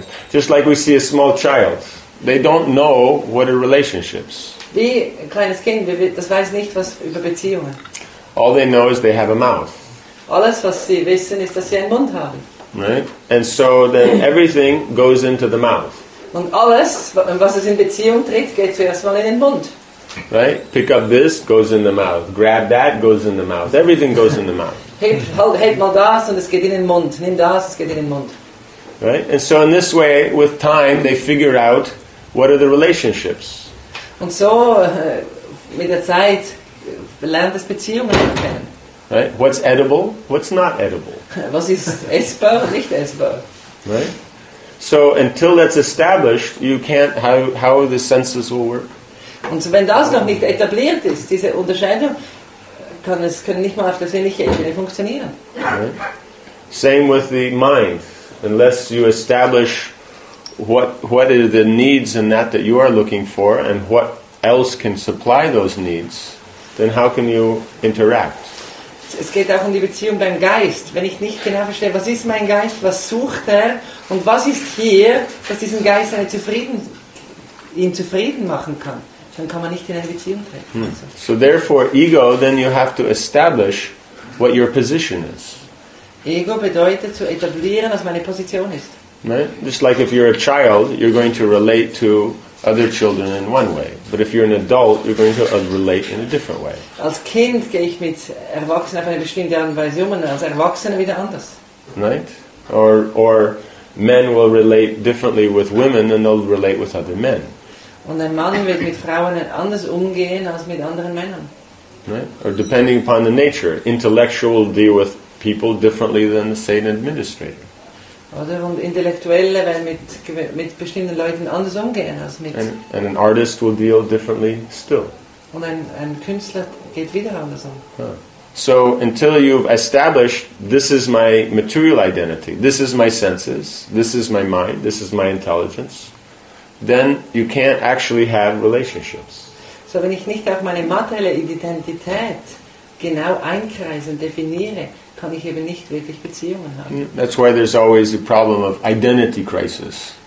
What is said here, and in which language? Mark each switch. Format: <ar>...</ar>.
<en>Just like we see a small child, they don't know what are relationships.</en> <de>Wie ein kleines Kind, das weiß nicht was über Beziehungen.</de> <en>All they know is they have a mouth.</en> <de>Alles was sie wissen ist, dass sie einen Mund haben.</de> <en>Right, and so then everything goes into the mouth.</en> <de>Und alles, was es in Beziehung tritt, geht zuerst mal in den Mund.</de> <en>Right, pick up this goes in the mouth. Grab that goes in the mouth. Everything goes in the mouth.</en> <de>Halt mal das und es geht in den Mund. Nimm das, es geht in den Mund.</de> <en>Right? And so in this way, with time, they figure out what are the relationships.</en> <de>Und so, mit der Zeit, lernt das Beziehungen kennen.</de> <en>Right? What's edible? What's not edible?</en> <de>Was ist essbar und nicht essbar?</de> <en>Right? So until that's established, you can't, how the senses will work.</en> <de>Und so, wenn das noch nicht etabliert ist, diese Unterscheidung, können nicht mal auf der sinnlichen Ebene funktionieren.</de> <en>Right? Same with the mind. Unless you establish what are the needs in that you are looking for and what else can supply those needs, then how can you interact?</en> <de>Es geht auch um die Beziehung beim Geist. Wenn ich nicht genau verstehe, was ist mein Geist, was sucht er und was ist hier, was diesen Geist ihn zufrieden machen kann, dann kann man nicht in eine Beziehung treten. Hmm.</de> <en>So therefore, ego, then you have to establish what your position is.</en> <de>Ego bedeutet zu etablieren, was meine Position ist.</de> <en>Right? Just like if you're a child, you're going to relate to other children in one way. But if you're an adult, you're going to relate in a different way.</en> <de>Als Kind gehe ich mit Erwachsenen auf eine bestimmte Art und Weise um, und als Erwachsener wieder anders.</de> <en>Right? Or men will relate differently with women than they'll relate with other men.</en> <de>Und ein Mann wird mit Frauen anders umgehen als mit anderen Männern.</de> <en>Right? Or depending upon the nature, intellectual deal with people differently than say an administrator.</en> <de>Oder und Intellektuelle werden mit bestimmten Leuten anders umgehen als mit.</de> <en>And an artist will deal differently still.</en> <de>Und ein Künstler geht wieder anders um. Huh.</de> <en>So until you've established this is my material identity, this is my senses, this is my mind, this is my intelligence, then you can't actually have relationships.</en> <de>So wenn ich nicht auch meine materielle Identität genau einkreise und definiere, kann ich eben nicht wirklich Beziehungen haben.</de> <en>That's why there's always a problem of identity crisis.</en>